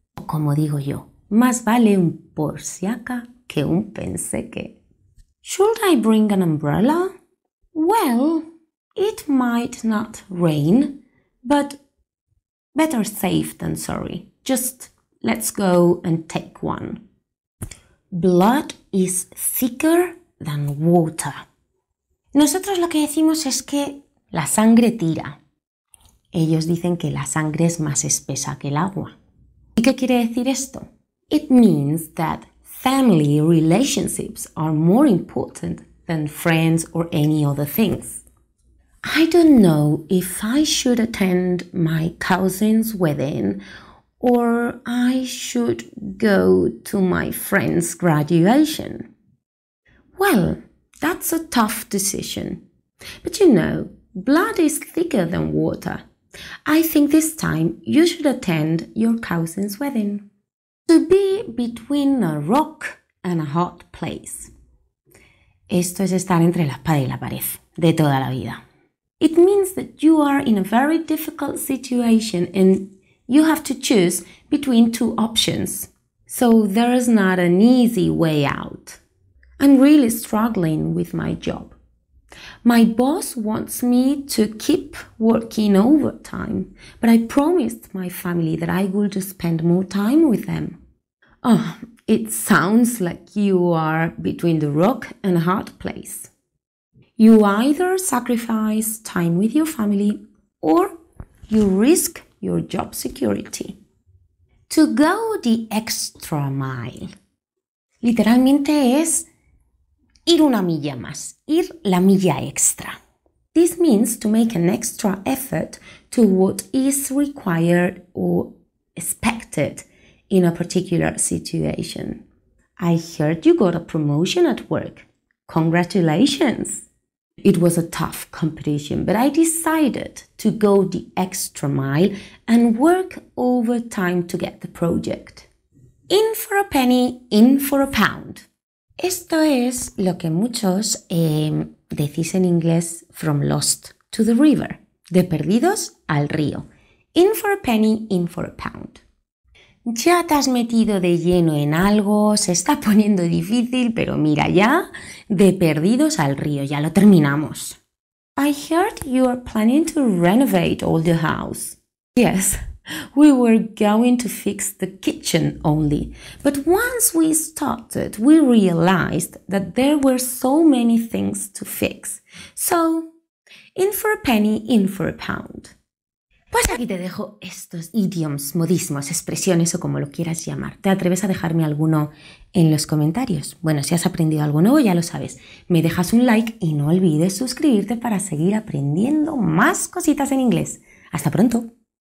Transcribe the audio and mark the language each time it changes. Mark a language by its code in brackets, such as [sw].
[es] Como digo yo, más vale un por si acá que un pensé que. [en] Should I bring an umbrella? Well, it might not rain, but better safe than sorry. Just let's go and take one. Blood is thicker than water. [es] Nosotros lo que decimos es que la sangre tira. Ellos dicen que la sangre es más espesa que el agua. ¿Y qué quiere decir esto? [en] It means that family relationships are more important than friends or any other things. I don't know if I should attend my cousin's wedding or I should go to my friend's graduation. Well, that's a tough decision. But you know, blood is thicker than water. I think this time you should attend your cousin's wedding. To be between a rock and a hard place. [es] Esto es estar entre la espada y la pared, de toda la vida. [en] It means that you are in a very difficult situation and you have to choose between two options. So there is not an easy way out. I'm really struggling with my job. My boss wants me to keep working overtime, but I promised my family that I would spend more time with them. Oh, it sounds like you are between the rock and a hard place. You either sacrifice time with your family or you risk your job security. To go the extra mile. [es] Literalmente es ir una milla más, ir la milla extra. [en] This means to make an extra effort to what is required or expected in a particular situation. I heard you got a promotion at work. Congratulations! It was a tough competition, but I decided to go the extra mile and work overtime to get the project. In for a penny, in for a pound. [es] Esto es lo que muchos decís en inglés, [en] from lost to the river. [es] De perdidos al río. [en] In for a penny, in for a pound. [es] Ya te has metido de lleno en algo, se está poniendo difícil, pero mira ya, de perdidos al río, ya lo terminamos. [en] I heard you are planning to renovate all the house. Yes, we were going to fix the kitchen only, but once we started, we realized that there were so many things to fix. So, in for a penny, in for a pound. [es] Pues aquí te dejo estos idioms, modismos, expresiones o como lo quieras llamar. ¿Te atreves a dejarme alguno en los comentarios? Bueno, si has aprendido algo nuevo, ya lo sabes. Me dejas un like y no olvides suscribirte para seguir aprendiendo más cositas en inglés. ¡Hasta pronto!